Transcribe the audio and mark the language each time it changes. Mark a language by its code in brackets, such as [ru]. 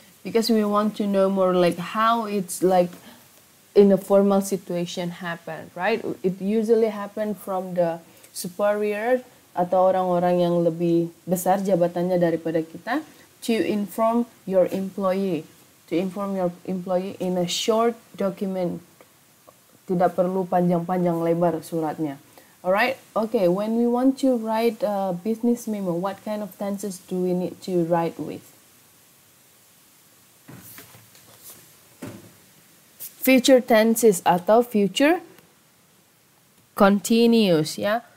[en] Because we want to know more like how it's like in a formal situation happen, right? It usually happen from the superior [id] atau orang-orang yang lebih besar jabatannya daripada kita [en] to inform your employee. To inform your employee in a short document. [id] Tidak perlu panjang-panjang lebar suratnya. [en] Alright, okay, when we want to write a business memo, what kind of tenses do we need to write with? Future tenses atau future continuous, yeah?